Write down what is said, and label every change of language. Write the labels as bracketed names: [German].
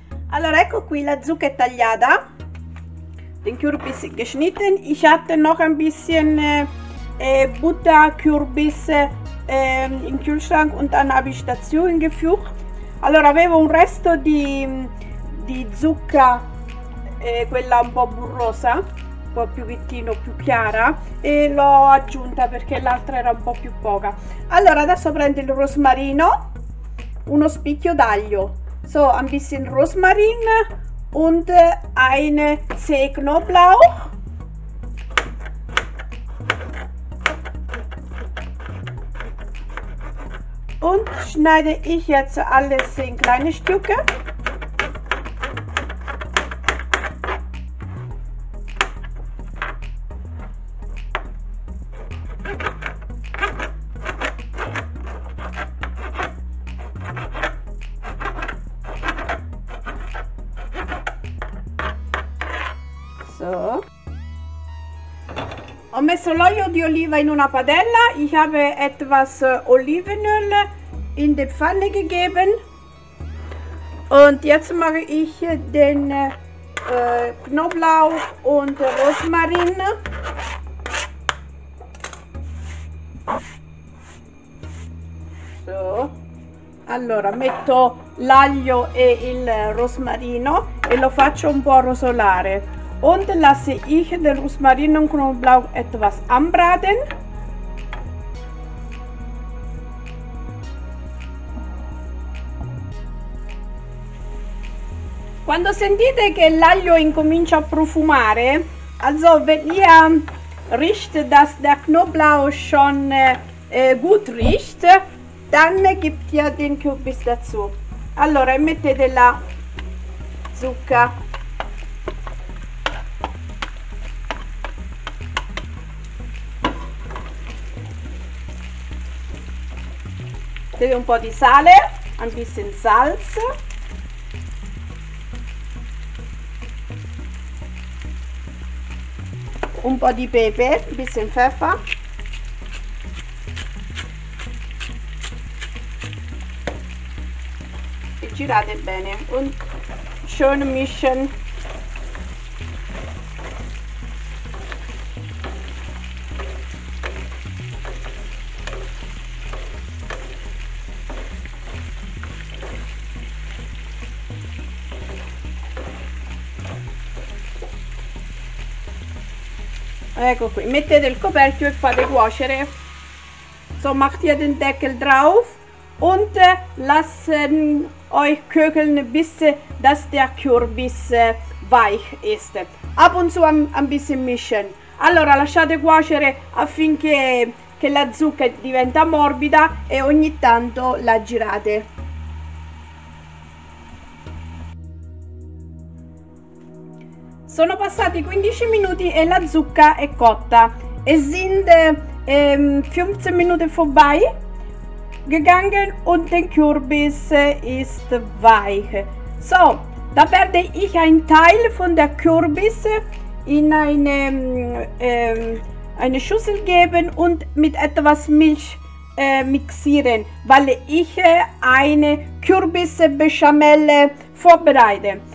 [Italian] Allora, ecco qui la zucca è tagliata. [German] Den kürbis geschnitten. Ich hatte noch ein bisschen Butterkürbis im Kühlschrank und dann habe ich dazu hingefügt. [Italian] Allora, avevo un resto di zucca, quella un po' burrosa, un po' più vittino, più chiara, e l'ho aggiunta perché l'altra era un po' più poca. Allora, adesso prendo il rosmarino, uno spicchio d'aglio. [German] So, ein bisschen Rosmarin. Und eine Zehknoblauch. Und schneide ich jetzt alles in kleine Stücke. [Italian] Ho messo l'olio di oliva in una padella. [German] Ich habe etwas Olivenöl in die Pfanne gegeben. Und jetzt mache ich den Knoblauch und Rosmarin. [Italian] Allora metto l'aglio e il rosmarino e lo faccio un po' rosolare. [German] Und lasse ich den Rosmarin und Knoblauch etwas anbraten. Quando sentite che l'aglio incomincia a profumare, also wenn ihr riecht, dass der Knoblauch schon gut riecht, dann gibt ihr den Kürbis dazu. [Italian] Allora, mettete la zucca. Un po' di sale, un bisschen salz. Un po' di pepe, un bisschen pfeffer. E girate bene, un schön mischen. Ecco qui, mettete il coperchio e fate cuocere. [German] So, macht ihr den Deckel drauf und lasst euch köcheln, bis dass der Kürbis weich ist. Ab und zu ein bisschen mischen. [Italian] Allora, lasciate cuocere affinché che la zucca diventa morbida e ogni tanto la girate. Sono passati 15 minuti e la zucca è cotta. [German] Es sind 15 Minuten vorbei gegangen und der Kürbis ist weich. So, da werde ich einen Teil von der Kürbis in eine Schüssel geben und mit etwas Milch mixieren, weil ich eine Kürbis-Bechamel vorbereite.